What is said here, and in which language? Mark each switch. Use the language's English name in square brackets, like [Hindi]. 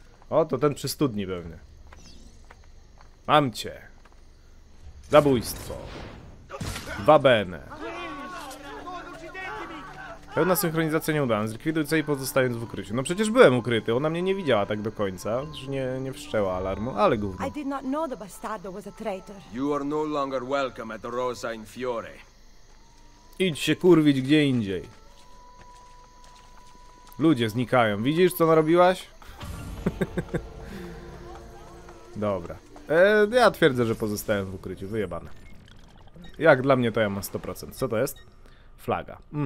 [Polish] O, to ten przy studni pewnie. Mam cię. Zabójstwo. [Italian] Va bene. [Polish] Pełna synchronizacja nie udana. Zlikwiduj cel i pozostając w ukryciu. No przecież byłem ukryty. Ona mnie nie widziała tak do końca. Że nie wszczęła alarmu, ale gówno. Nie wiedziałem, że bastardo był traitor. [English] You are no longer welcome at Rosa in Fiore. [Polish] Idź się kurwić gdzie indziej. Ludzie znikają. Widzisz, co narobiłaś? Dobra. Ja twierdzę, że pozostałem w ukryciu. Wyjebane. Jak dla mnie to ja mam 100%. Co to jest? Flaga.